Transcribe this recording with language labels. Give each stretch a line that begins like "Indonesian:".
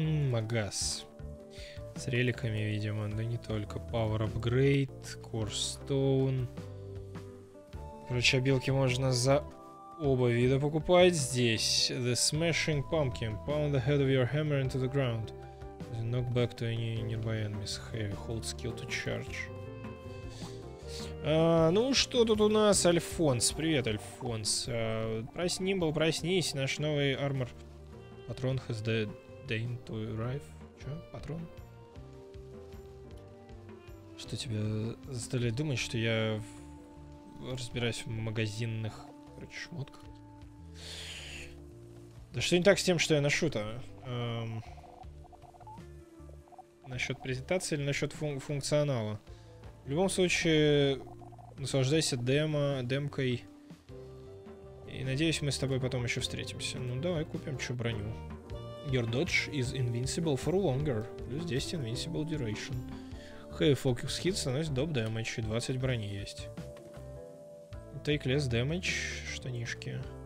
Russian: Магаз. С реликами, видимо. Да не только.
English: Power upgrade. Core stone.
Russian: Короче, обилки можно за... Оба вида покупать здесь.
English: The Smashing Pumpkin. Pound the head of your hammer into the ground. Knock back to any nearby enemies. Heavy. Hold skill to charge.
Russian: Ну что тут у нас?
English: Альфонс.
Russian: Привет, Альфонс. Проснись. Наш новый армор.
English: Патрон has the deign to arrive.
Russian: Че? Патрон? Что тебя заставляет думать, что я разбираюсь в магазинных... шмотка. Да что не так с тем, что я ношу-то? Насчет презентации или насчет функционала? В любом случае, наслаждайся демкой. И надеюсь, мы с тобой потом еще встретимся. Ну, давай купим чё броню.
English: Your dodge is invincible for longer. Плюс 10 invincible duration. Heavy focus hit
Russian: наносит доп
English: damage.
Russian: 20 брони есть.
English: Take less damage, штанишки.